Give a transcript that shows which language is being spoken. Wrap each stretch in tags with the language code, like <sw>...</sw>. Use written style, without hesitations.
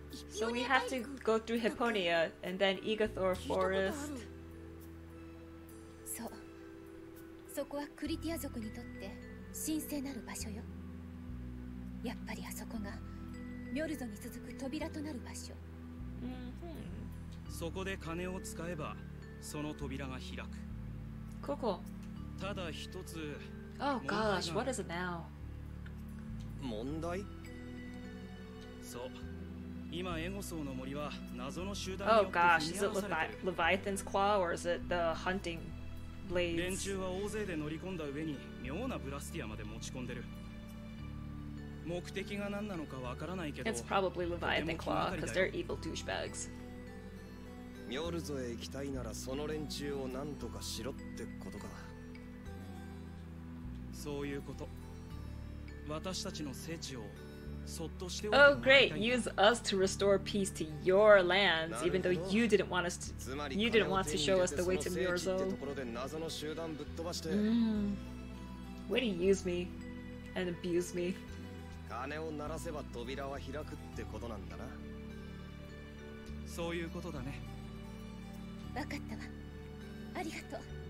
<en>So we have to go through Hipponia and then Igathor Forest.</en> <ja>So, そこはクリティア族にとって神聖なる場所よ。やっぱりあそこがミョルゾに続く扉となる場所。そこで金を使えばその扉が開く。ここ。ただ一つ。</ja> <en>Oh gosh, what is it now?</en> <ja>問題？そう。今エゴソーの森は謎の集団によって組み合わされている。</ja> <en>Oh gosh, is it Leviathan's claw or is it the hunting blades?</en> <ja>連中は大勢で乗り込んだ上に妙なブラスティアまで持ち込んでる。目的が何なのかわからないけど。</ja> <en>It's probably Leviathan's claw because they're evil douchebags.</en> <ja>ミョルゾへ行きたいならその連中を何とかしろってことか。そういうこと。私たちの聖地をそっとしてお</ja> <en>く。Oh great! Use us to restore peace to your lands, even though you didn't want us to. You didn't want to show us the way to ミョルゾ。</en> <ja>ってところで謎の集団ぶっ飛ばして。</ja> <en>Way to use me and abuse me.</en> <ja>金を鳴らせば扉は開くってことなんだな。そういうことだね。わかったわ。ありがとう。</ja>